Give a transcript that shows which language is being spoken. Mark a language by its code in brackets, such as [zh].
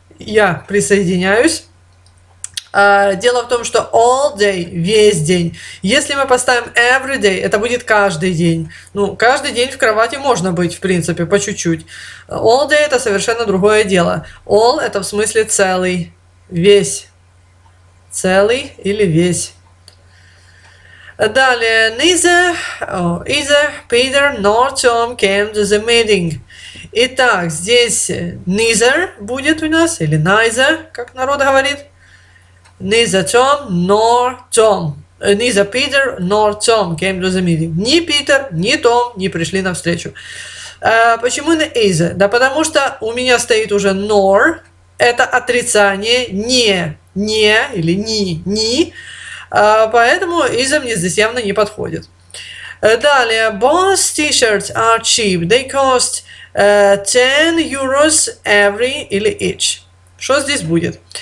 [ru] Я присоединяюсь. Дело в том, что all day – весь день. Если мы поставим [en] every day, [ru] это будет каждый день. Ну, каждый день в кровати можно быть, в принципе, по чуть-чуть. All day – это совершенно другое дело. All – это в смысле целый, весь. Целый или весь. Далее. [en] Neither Peter nor Tom came to the meeting. [ru] Итак, здесь neither будет у нас, или neither, как народ говорит. [en] Neither Tom nor Tom. Neither Peter nor Tom came to the meeting. [ru] Ни Питер, ни Том не пришли на встречу. Почему не either? Да потому что у меня стоит уже nor. Это отрицание не. Не или ни, ни. Поэтому из-за мне здесь явно не подходит. Далее. [en] Both t-shirts are cheap. They cost 10 euros every [ru] или [en] each. [ru] Что здесь будет?